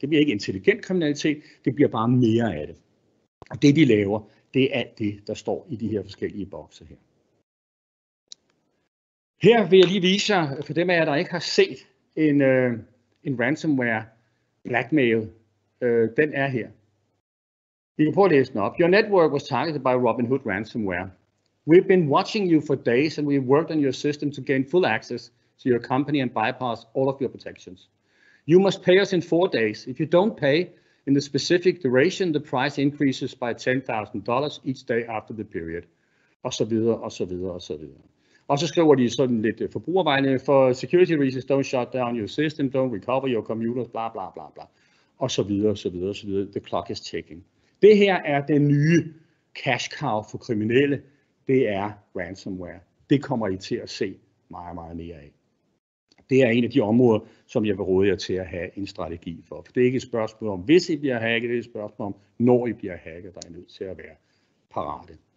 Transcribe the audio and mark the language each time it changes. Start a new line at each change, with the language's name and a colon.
Danish: Det bliver ikke intelligent kriminalitet, det bliver bare mere af det. Og det, de laver, det er alt det, der står i de her forskellige bokse her. Her vil jeg lige vise jer, for dem af jer, der ikke har set en ransomware blackmail, den er her. Vi kan prøve at læse den op.
English: Your network was targeted by Robinhood ransomware. We've been watching you for days and we've worked on your system to gain full access to your company and bypass all of your protections. You must pay us in 4 days. If you don't pay in the specific duration, the price increases by $10,000 each day after the period.
Danish: Og så videre, og så videre, og så videre. Og så skriver de sådan lidt forbrugervejledning.
English: For security reasons, don't shut down your system, don't recover your computers, bla bla bla bla.
Danish: Og så videre, og så videre, og så videre.
English: The clock is ticking.
Danish: Det her er den nye cash cow for kriminelle. Det er ransomware. Det kommer I til at se meget, meget mere af. Det er en af de områder, som jeg vil råde jer til at have en strategi for. For det er ikke et spørgsmål om, hvis I bliver hacket, det er et spørgsmål om, når I bliver hacket, der er nødt til at være parate.